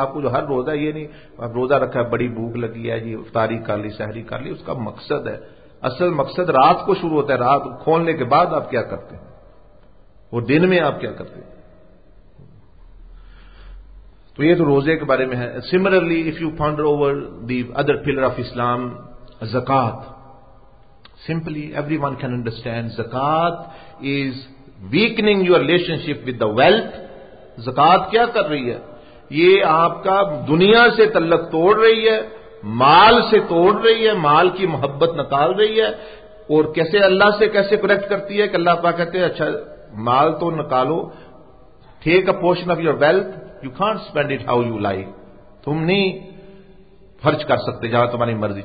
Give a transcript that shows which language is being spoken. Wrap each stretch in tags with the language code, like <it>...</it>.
<ur>آپ کو جو ہر روزہ, یہ نہیں آپ روزہ رکھا ہے بڑی بھوک لگی ہے جی افطاری کر لی سحری کر لی, اس کا مقصد ہے, اصل مقصد رات کو شروع ہوتا ہے. رات کھولنے کے بعد آپ کیا کرتے ہیں اور دن میں آپ کیا کرتے ہیں. تو یہ تو روزے کے بارے میں ہے.</ur> <en>Similarly if you ponder over the other pillar of Islam زکات, simply everyone can understand زکات is weakening your relationship with the wealth.</en> <ur>زکات کیا کر رہی ہے؟ یہ آپ کا دنیا سے تعلق توڑ رہی ہے, مال سے توڑ رہی ہے, مال کی محبت نکال رہی ہے. اور کیسے اللہ سے کیسے کنیکٹ کرتی ہے کہ اللہ پاک کہتے ہیں اچھا مال تو نکالو,</ur> <en>take a portion of your wealth, you can't spend it how you like,</en> <ur>تم نہیں خرچ کر سکتے جہاں تمہاری مرضی.</ur>